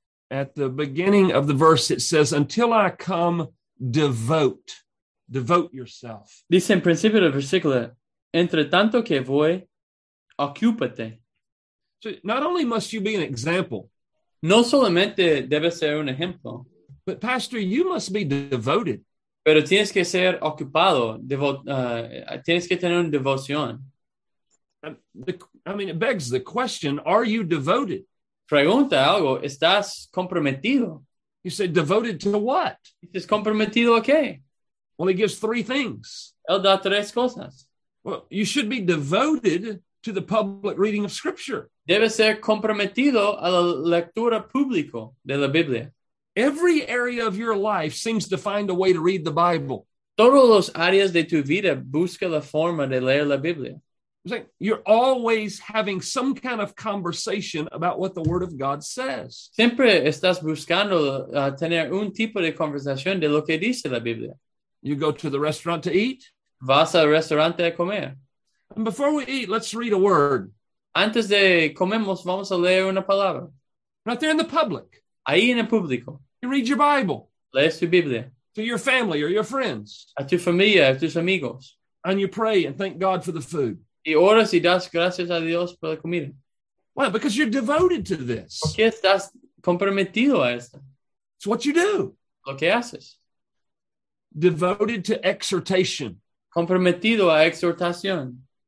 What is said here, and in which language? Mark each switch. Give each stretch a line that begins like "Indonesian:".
English: At the beginning of the verse it says, until I come, devote. devote yourself.
Spanish: Dice en principio del versículo, entre tanto que voy, ocúpate.
English: So not only must you be an example.
Spanish: No solamente debes ser un ejemplo.
English: But pastor, you must be devoted.
Spanish: Pero tienes que ser ocupado, tienes que tener una devoción.
English: I mean, it begs the question, are you devoted?
Spanish: Pregunta algo, ¿estás comprometido?
English: You say, devoted to what?
Spanish: ¿Estás comprometido a qué?
English: Well, he gives three things.
Spanish: Él da tres cosas.
English: Well, you should be devoted to the public reading of Scripture.
Spanish: Debes ser comprometido a la lectura pública de la Biblia.
English: Every area of your life seems to find a way to read the Bible.
Spanish: Todos los áreas de tu vida busca la forma de leer la Biblia.
English: You're always having some kind of conversation about what the Word of God says.
Spanish: Siempre estás buscando tener un tipo de conversación de lo que dice la Biblia.
English: You go to the restaurant to eat.
Spanish: Vas al restaurante a comer.
English: And before we eat, let's read a word.
Spanish: Antes de comemos, vamos a leer una palabra.
English: Right there in the public.
Spanish: Ahí en el público.
English: You read your Bible.
Spanish: Lees tu Biblia.
English: To your family or your friends.
Spanish: A tu familia, a tus amigos.
English: And you pray and thank God for the food.
Spanish: Y oras y das gracias a Dios por la comida.
English: Why? Because you're devoted to this.
Spanish: Porque estás comprometido a esto.
English: It's what you do.
Spanish: Lo que haces.
English: Devoted to exhortation.
Spanish: Comprometido a exhortación.